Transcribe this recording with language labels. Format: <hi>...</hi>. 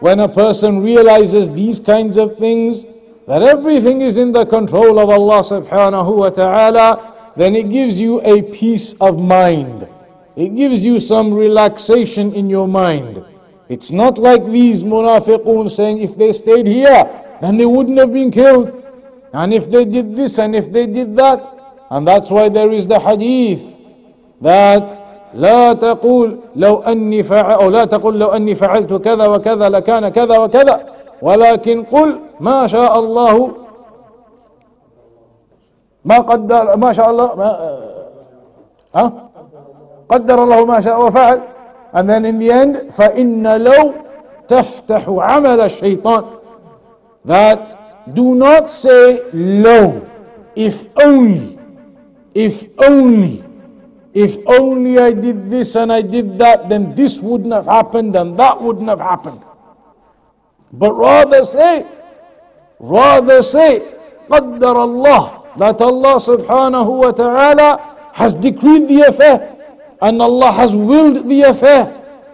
<en>When a person realizes these kinds of things, that everything is in the control of Allah subhanahu wa ta'ala, then it gives you a peace of mind. It gives you some relaxation in your mind. It's not like these munafiqun saying, if they stayed here, then they wouldn't have been killed. And if they did this and if they did that. And that's why there is the hadith that</en> <ar>لا تقول لو أني فعل أو لا تقول لو أني فعلت كذا وكذا لكان كذا وكذا ولكن قل ما شاء الله ما قدر ما شاء الله ما قدر الله ما شاء وفعل.</ar> <en>And then in the end,</en> <ar>فإن لو تفتح عمل الشيطان.</ar> <en>That do not say لو, if only, if only, if only I did this and I did that, then this wouldn't have happened and that wouldn't have happened. But rather say, قدر الله, that Allah subhanahu wa ta'ala has decreed the affair and Allah has willed the affair.</en>